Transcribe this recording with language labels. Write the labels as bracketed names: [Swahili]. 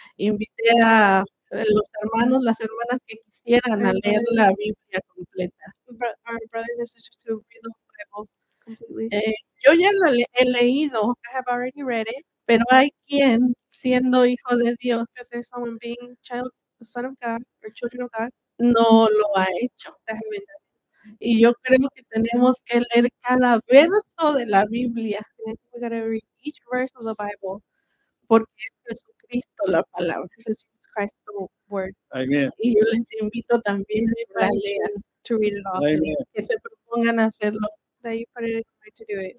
[Spanish] invité a los hermanos, las hermanas que quisieran a leer la Biblia completa. [English] Our brothers and sisters to read the Bible completely. [Spanish] Yo ya lo he leído. [English] I have already read it. [Spanish] Pero hay quien, siendo hijo de Dios, [English] but there's someone being child, the son of God, or children of God, [Spanish] no lo ha hecho. [English] That haven't done. [Spanish] Y yo creo que tenemos que leer cada verso de la Biblia. [English] We gotta read each verse of the Bible. [Spanish] Porque es Jesucristo la palabra. [English] Jesus Christ the word. Amen. [Spanish] Y yo les invito también a leer. [English] To read it all. Amen. [Spanish] Que se propongan hacerlo. [English] That you put it in mind to do it.